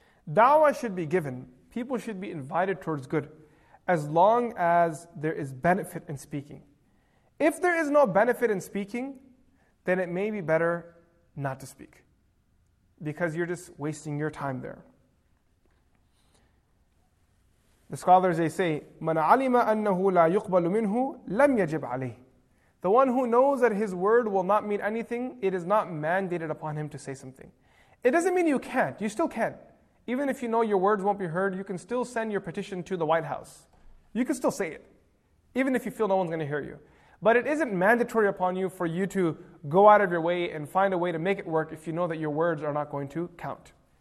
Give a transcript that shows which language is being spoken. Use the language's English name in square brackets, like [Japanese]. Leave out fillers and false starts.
[English] Da'wah should be given. People should be invited towards good, as long as there is benefit in speaking. If there is no benefit in speaking, then it may be better not to speak, because you're just wasting your time there. The scholars, they say, [Arabic] مَنَ عَلِمَ أَنَّهُ لَا يُقْبَلُ مِنْهُ لَمْ يَجِبْ عَلَيْهِ. [English] The one who knows that his word will not mean anything, it is not mandated upon him to say something. It doesn't mean you can't, you still can. Even if you know your words won't be heard, you can still send your petition to the White House. You can still say it, even if you feel no one's going to hear you. But it isn't mandatory upon you for you to go out of your way and find a way to make it work if you know that your words are not going to count.